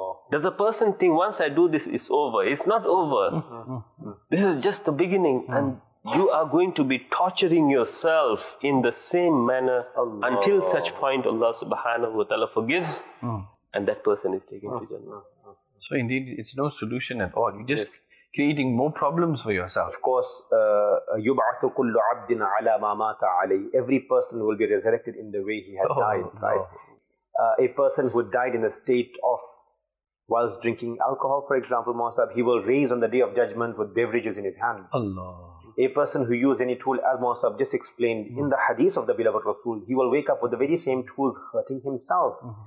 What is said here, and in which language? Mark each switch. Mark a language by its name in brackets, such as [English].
[English] Does a person think once I do this, it's over? It's not over. This is just the beginning. And you are going to be torturing yourself in the same manner until such point Allah subhanahu wa ta'ala forgives and that person is taken to Jannah. So indeed, it's no solution at all. You just creating more problems for yourself. Of course, [Arabic] يُبْعَثُ كُلُّ عَبْدٍ عَلَى مَا مَاتَ عَلَيْهِ. [English] Every person will be resurrected in the way he had died, right? A person who died in a state of, whilst drinking alcohol, for example, Mawasab, he will raise on the day of judgment with beverages in his hands. Allah. A person who used any tool, as Mawasab just explained, in the hadith of the beloved Rasul, he will wake up with the very same tools hurting himself.